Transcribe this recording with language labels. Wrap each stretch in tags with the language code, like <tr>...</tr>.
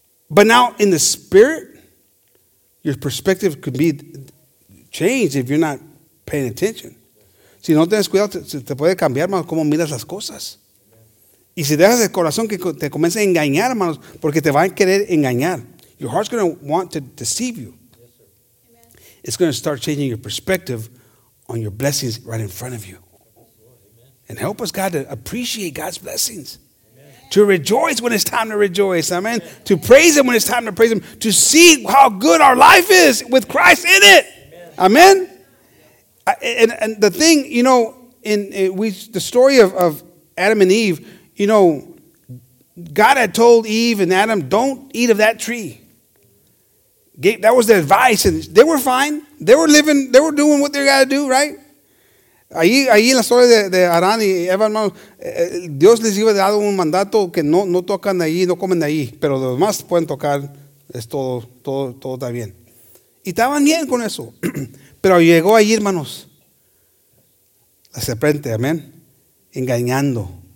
<en>But now in the spirit, your perspective could be change if you're not paying attention.</en> <es>Si no tienes cuidado, te puede cambiar, hermano, cómo miras las cosas. Y si dejas el corazón que te comience a engañar, hermanos, porque te van a querer engañar.</es> <en>Your heart's going to want to deceive you. Yes, it's going to start changing your perspective on your blessings right in front of you. And help us, God, to appreciate God's blessings. Amen. To rejoice when it's time to rejoice. Amen. Amen. To praise Him when it's time to praise Him. To see how good our life is with Christ in it. Amen. Amen. Yeah. And the thing, you know, the story of Adam and Eve, you know, God had told Eve and Adam, don't eat of that tree. That was the advice. And they were fine. They were living. They were doing what they got to do, right?</en> <es>Ahí en la historia de Adán y Eva, hermano, Dios les iba a dar un mandato que no tocan de ahí, no comen de ahí. Pero los demás pueden tocar. Es todo está bien. Y estaban bien con eso. Pero llegó ahí, hermanos, la serpiente, amén, engañando.</es>